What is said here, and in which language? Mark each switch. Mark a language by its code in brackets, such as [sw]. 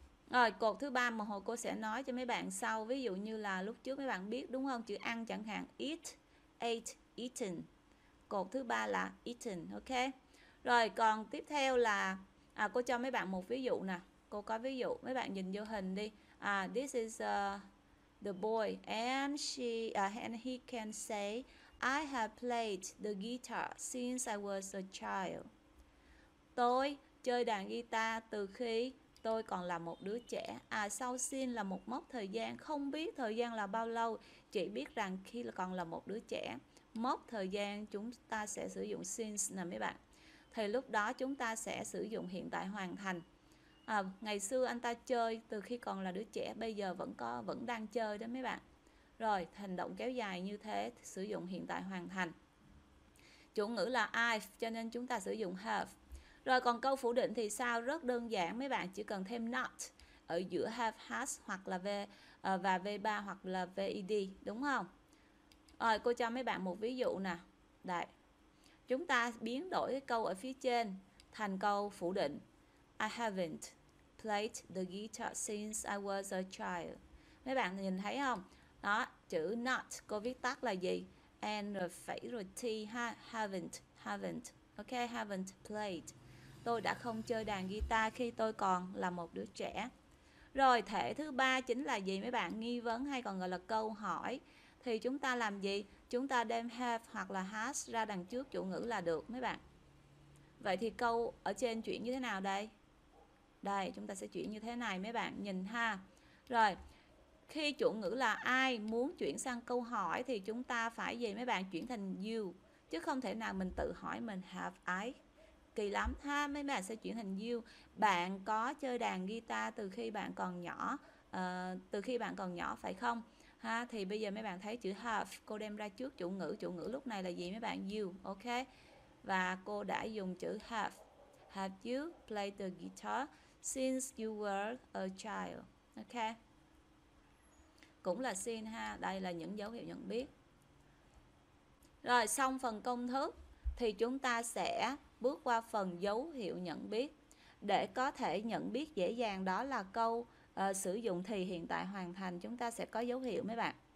[vi] Rồi, cột thứ ba mà hồi cô sẽ nói cho mấy bạn sau, ví dụ như là lúc trước mấy bạn biết đúng không? Chữ ăn chẳng hạn eat, ate, eaten. Cột thứ ba là eaten, ok. Rồi còn tiếp theo là cô cho mấy bạn một ví dụ nè. Cô có ví dụ, mấy bạn nhìn vô hình đi. [en] This is the boy and he can say I have played the guitar since I was a child. [vi] Tôi chơi đàn guitar từ khi tôi còn là một đứa trẻ. À, sau sin là một mốc thời gian, không biết thời gian là bao lâu, chỉ biết rằng khi còn là một đứa trẻ. Mốc thời gian chúng ta sẽ sử dụng since nè mấy bạn. Thì lúc đó chúng ta sẽ sử dụng hiện tại hoàn thành. À, ngày xưa anh ta chơi từ khi còn là đứa trẻ, bây giờ vẫn đang chơi đó mấy bạn. Rồi, hành động kéo dài như thế sử dụng hiện tại hoàn thành. Chủ ngữ là I've cho nên chúng ta sử dụng have. Rồi còn câu phủ định thì sao? Rất đơn giản mấy bạn, chỉ cần thêm not ở giữa have, has hoặc là và V3 hoặc là VED, đúng không? Rồi cô cho mấy bạn một ví dụ nè. Đấy. Chúng ta biến đổi cái câu ở phía trên thành câu phủ định. [en] I haven't played the guitar since I was a child. [vi] Mấy bạn nhìn thấy không? Đó, chữ not cô viết tắt là gì? N rồi phẩy rồi T ha, haven't. Ok, haven't played. Tôi đã không chơi đàn guitar khi tôi còn là một đứa trẻ. Rồi, thể thứ ba chính là gì mấy bạn? Nghi vấn hay còn gọi là câu hỏi. Thì chúng ta làm gì? Chúng ta đem have hoặc là has ra đằng trước chủ ngữ là được mấy bạn. Vậy thì câu ở trên chuyển như thế nào đây? Đây, chúng ta sẽ chuyển như thế này mấy bạn. Nhìn ha. Rồi, khi chủ ngữ là ai muốn chuyển sang câu hỏi thì chúng ta phải gì mấy bạn? Chuyển thành you. Chứ không thể nào mình tự hỏi mình have I. Kỳ lắm ha, mấy bạn sẽ chuyển thành you. Bạn có chơi đàn guitar từ khi bạn còn nhỏ, từ khi bạn còn nhỏ phải không? Ha, thì bây giờ mấy bạn thấy chữ have cô đem ra trước chủ ngữ. Chủ ngữ lúc này là gì mấy bạn? You, ok. Và cô đã dùng chữ have. [en] Have you played the guitar since you were a child? [vi] Ok. Cũng là since ha. Đây là những dấu hiệu nhận biết. Rồi xong phần công thức thì chúng ta sẽ bước qua phần dấu hiệu nhận biết. Để có thể nhận biết dễ dàng đó là câu sử dụng thì hiện tại hoàn thành, chúng ta sẽ có dấu hiệu mấy bạn.